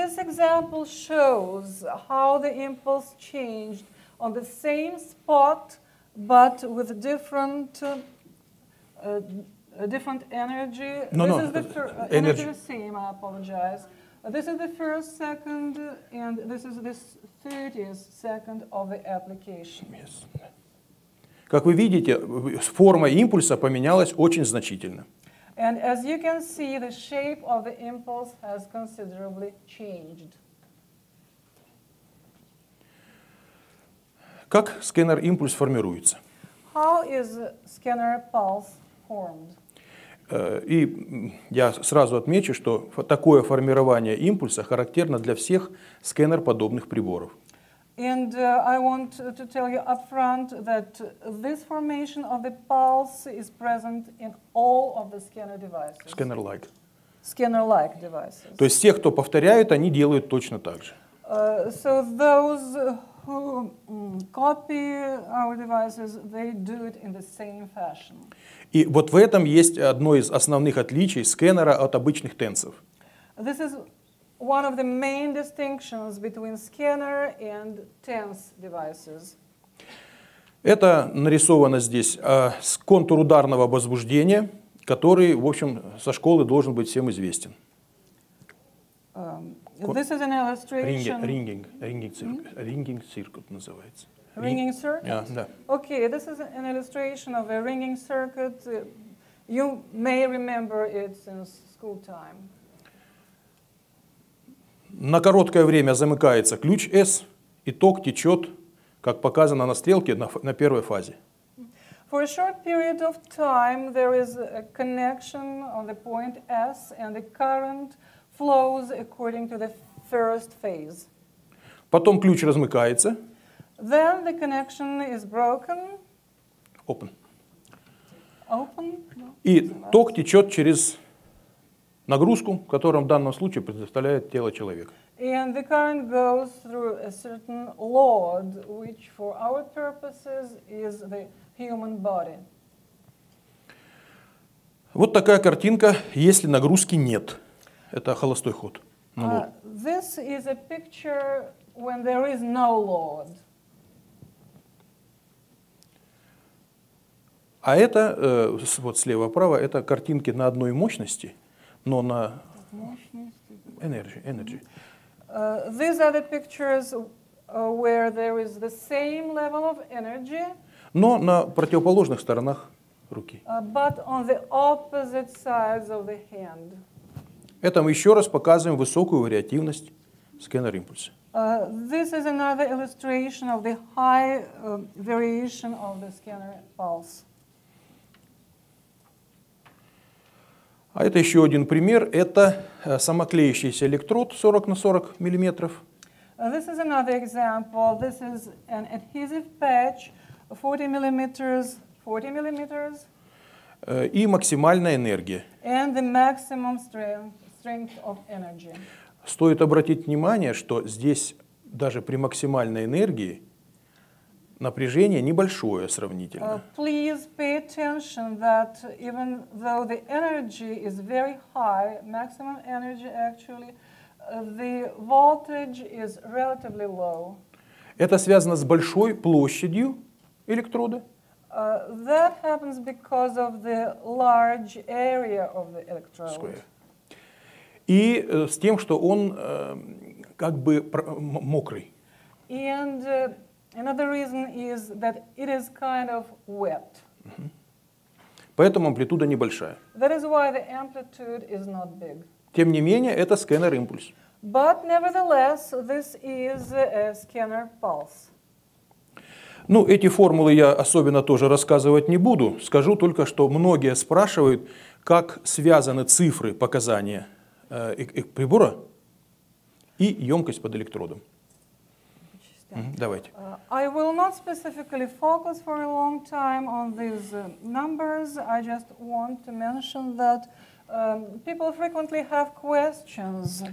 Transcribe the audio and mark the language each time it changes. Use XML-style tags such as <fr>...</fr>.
<en>This example shows how the impulse changed on the same spot, but with different different energy. This is the first second, and this is the 30th second of the application. Yes.</en> <ru>Как вы видите, форма импульса поменялась очень значительно.</ru> <en>And as you can see, the shape of the impulse has considerably changed.</en> <ru>Как сканер импульс формируется?</ru> <en>How is scanner pulse formed?</en> <ru>И я сразу отмечу, что такое формирование импульса характерно для всех сканер-подобных приборов.</ru> <en>And I want to tell you upfront that this formation of the pulse is present in all of the scanner devices. Scanner-like. Scanner-like devices.</en> <ru>То есть те, кто повторяют, они делают точно так же.</ru> <en>So those who copy our devices, they do it in the same fashion.</en> <ru>И вот в этом есть одно из основных отличий сканера от обычных тенсов.</ru> <en>This is one of the main distinctions between scanner and tens devices.</en> <ru>Это нарисовано здесь контур ударного возбуждения, который, в общем, со школы должен быть всем известен.</ru> <en>This is an illustration.</en> <ru>Ringing circuit называется.</ru> <en>Ringing circuit? Yeah. Okay, this is an illustration of a ringing circuit. You may remember it since school time.</en> <ru>На короткое время замыкается ключ S, и ток течет, как показано на стрелке, на первой фазе.</ru> <en>For a short period of time, there is a connection on the point S, and the current flows according to the first phase. Потом ключ размыкается. Then the connection is broken. Open. Open. No.</en> <ru>И ток течет через нагрузку, которую в данном случае предоставляет тело человека.</ru> <en>And the current goes through a certain load, which for our purposes is the human body.</en> <ru>Вот такая картинка, если нагрузки нет. Это холостой ход.</ru> <en>This is a picture when there is no load.</en> <ru>А это, вот слева-право, это картинки на одной мощности, но на energy.</ru> <en>These are the pictures where there is the same level of energy,</en> <ru>но на противоположных сторонах руки.</ru> <en>But on the opposite sides of the hand.</en> <ru>Это мы еще раз показываем высокую вариативность сканер-импульса.</ru> <en>This is another illustration of the high variation of the scanner pulse.</en> <ru>А это еще один пример. Это самоклеящийся электрод 40 на 40 миллиметров.</ru> <en>This is another example. This is an adhesive patch, 40 millimeters.</en> <ru>И максимальная энергия.</ru> <en>And the maximum strength of energy.</en> <ru>Стоит обратить внимание, что здесь даже при максимальной энергии напряжение небольшое сравнительно.</ru> <en>Please pay attention that even though the energy is very high, maximum energy actually, the voltage is relatively low.</en> <ru>Это связано с большой площадью электрода.</ru> <en>That happens because of the large area of the electrode. Square.</en> <ru>И с тем, что он как бы мокрый.</ru> <en>And another reason is that it is kind of wet.</en> <ru>Поэтому амплитуда небольшая.</ru> <en>That is why the amplitude is not big.</en> <ru>Тем не менее, это сканер-импульс.</ru> <en>But nevertheless, this is a scanner pulse.</en> <ru>Ну, эти формулы я особенно тоже рассказывать не буду. Скажу только, что многие спрашивают, как связаны цифры показания прибора и емкость под электродом. Давайте.</ru> <en>I will not specifically focus for a long time on these numbers. I just want to mention that people frequently have questions.</en>